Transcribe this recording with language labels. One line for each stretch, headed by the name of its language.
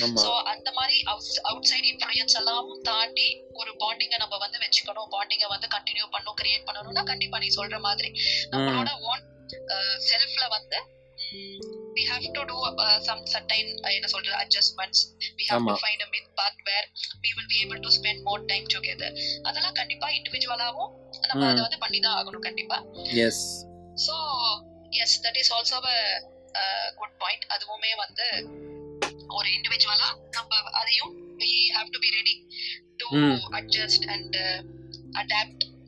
Tamil: So அந்த மாதிரி outside influence எல்லாம் தாண்டி ஒரு பாண்டிங்க நம்ம வந்து வெச்சுக்கணும், பாண்டிங்க வந்து கண்டினியூ பண்ணனும், கிரியேட் பண்ணனும்னா கண்டிப்பா நீ சொல்ற மாதிரி நம்மளோட ஓன் செல்ஃப்ல வந்து
English: we have to do some certain
Tamil: என்ன சொல்ற adjustments.
English: We have to find a mid path where we will be able to spend more time together.
Tamil: அதெல்லாம் கண்டிப்பா இன்டிவிஜுவலாவோ நம்ம அத வந்து பண்ணி தான் ஆகணும் கண்டிப்பா.
English: Yes. So yes, that is also a good point.
Tamil: அதுவுமே வந்து ஒரு இன்டிவிஜுவலா நம்ம அதையும்
English: we have to be ready to adjust and adapt.